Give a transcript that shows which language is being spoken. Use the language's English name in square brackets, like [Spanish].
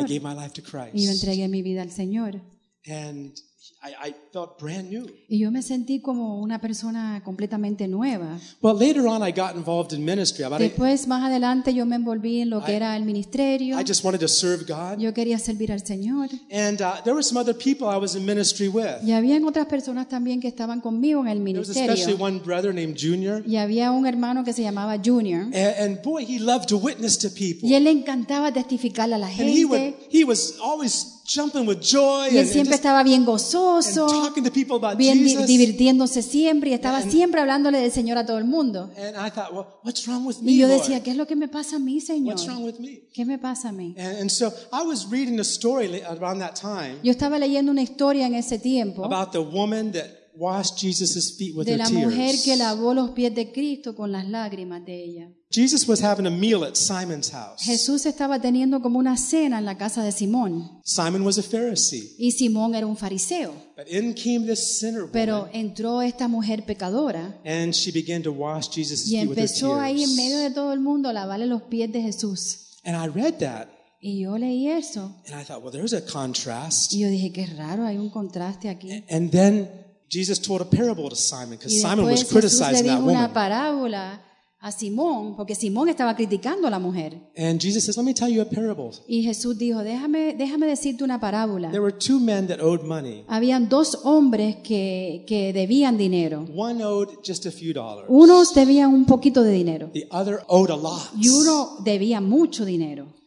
[English] And I gave my life to Christ. [Spanish] Y yo entregué mi vida al Señor. [English] And I felt brand new. [Spanish] Y yo me sentí como una persona completamente nueva. [English] Well, later on, I got involved in ministry. [Spanish] Después, más adelante, yo me envolví en lo que era el ministerio. [English] I just wanted to serve God. [Spanish] Yo quería servir al Señor. [English] And there were some other people I was in ministry with. [Spanish] Y había otras personas también que estaban conmigo en el ministerio. [English] There was especially one brother named Junior. [Spanish] Y había un hermano que se llamaba Junior. [English] And boy, he loved to witness to people. [Spanish] Y él encantaba testificarle a la gente. [English] And he was always jumping with joy. [Spanish] Y él siempre estaba bien gozoso. [English] And talking to people about Jesus. [Spanish] Divirtiéndose siempre y estaba siempre hablándole del Señor a todo el mundo. [English] And I thought, well, what's wrong with me, [Spanish] y yo decía, ¿qué es lo que me pasa a mí, Señor? [English] What's wrong with me? [Spanish] ¿Qué me pasa a mí? [English] And so I was reading a story around that time. [Spanish] Yo estaba leyendo una historia en ese tiempo. [English] About the woman that washed Jesus's feet with her tears. [Spanish] De la mujer que lavó los pies de Cristo con las lágrimas de ella. [English] Jesus was having a meal at Simon's house. [Spanish] Jesús estaba teniendo como una cena en la casa de Simón. [English] Simon was a Pharisee. [Spanish] Y Simón era un fariseo. [English] But in came this sinner woman. [Spanish] Pero entró esta mujer pecadora. [English] And she began to wash Jesus's feet with her tears. [Spanish] Y empezó ahí en medio de todo el mundo a lavarle los pies de Jesús. [English] And I read that. [Spanish] Y yo leí eso. [English] And I thought, well, there's a contrast. [Spanish] Y yo dije, qué raro, hay un contraste aquí. [English] And then Jesus told a parable to Simon because Simon was criticizing that woman. [Spanish] Una parábola a Simón porque Simón estaba criticando a la mujer. [English] And Jesus says, "Let me tell you a parable." [Spanish] Y Jesús dijo, déjame decirte una parábola. [English] There were two men that owed money. [Spanish] Habían dos hombres que debían dinero. [English] One owed just a few dollars. [Spanish] Unos debían un poquito de dinero. [English] The other owed a lot. [Spanish] Y uno debía mucho dinero.